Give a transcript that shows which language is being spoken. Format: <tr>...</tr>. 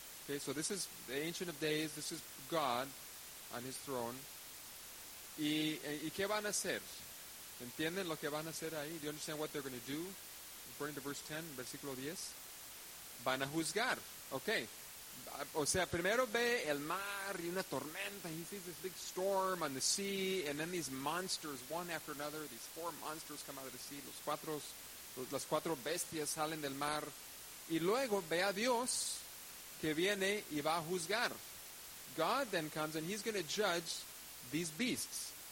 <en>Okay, so this is the Ancient of Days. This is God on his throne.</en> <es>¿Y qué van a hacer? ¿Entienden lo que van a hacer ahí?</es> <en>Do you understand what they're going to do? According to verse 10,</en> <es>versículo 10. Van a juzgar.</es> <en>Okay.</en> <es>O sea, primero ve el mar y una tormenta.</es> <en>He sees this big storm on the sea. And then these monsters, one after another, these four monsters come out of the sea.</en> <es>Las cuatro bestias salen del mar. Y luego ve a Dios que viene y va a juzgar.</es> <en>God then comes and he's going to judge these beasts.</en>